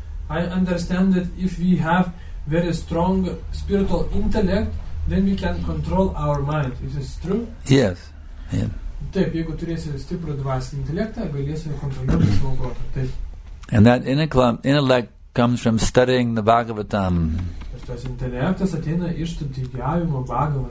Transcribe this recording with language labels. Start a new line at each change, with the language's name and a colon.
English: I understand that if we have very strong spiritual intellect, then we can control our mind. Is this true? Yes.
Lithuanian: Taip, jeigu turėsi stiprų dvasinį intelektą, galėsi kontroliuoti savo protą.
English: And that intellect comes from studying the Bhagavatam.
Lithuanian: tas intelektas ateina iš studijavimo Bhagavata.